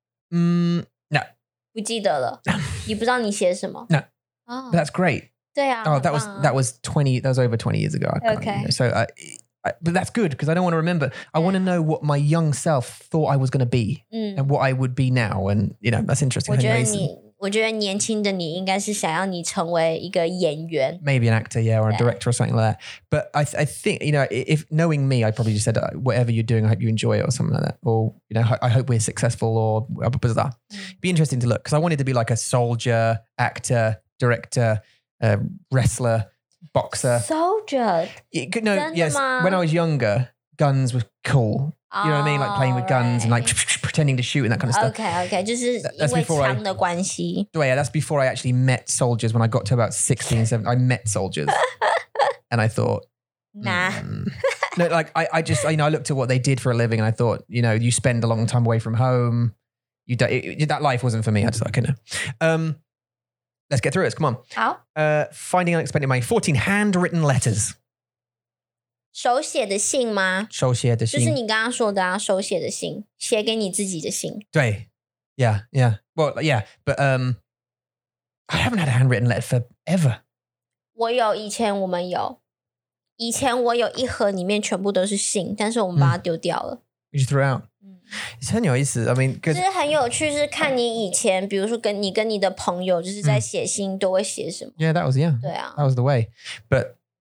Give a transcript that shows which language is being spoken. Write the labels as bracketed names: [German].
[English] No. [Chinese] 不记得了。你不知道你写什么? [English] No. But that's great. [Chinese] 对啊。 [English] Oh, that was over 20 years ago. Okay. So, but that's good because I don't want to remember. I want to know what my young self thought I was going to be and what I would be now. And, you know, that's interesting. [Chinese] 我觉得年轻的你应该是想要你成为一个演员。 [English] Maybe an actor, yeah, or a director or something like that. But I think, you know, if knowing me, I probably just said, whatever you're doing, I hope you enjoy it or something like that. Or, you know, I hope we're successful or blah, blah, blah. Be interesting to look because I wanted to be like a soldier, actor, director, wrestler. Boxer. Soldier. No, yes. When I was younger, guns were cool. You know what I mean? Like playing with guns and like pretending to shoot and that kind of stuff. Okay. That's before I actually met soldiers when I got to about 16, 17. I met soldiers and I thought, nah. No, like I just, you know, I looked at what they did for a living and I thought, you know, you spend a long time away from home. You don't, that life wasn't for me. I just thought, okay, no. Let's get through this. Come on. How? Finding unexpected money. 14 handwritten letters. [Chinese] 手写的信吗? 手写的信。就是你刚刚说的啊,手写的信。写给你自己的信。对。 [English] Yeah, yeah. Well, yeah. But I haven't had a handwritten letter forever. [Chinese] 我有,以前我们有。以前我有一盒里面全部都是信,但是我们把它丢掉了。 [English] You just threw out. It's [Chinese] 很有意思 [English] I mean, [Chinese] 就是很有趣是看你以前比如说跟你跟你的朋友就是在写信都会写什么 [English] Yeah, that was, yeah [Chinese] 对啊 [English] That was the way But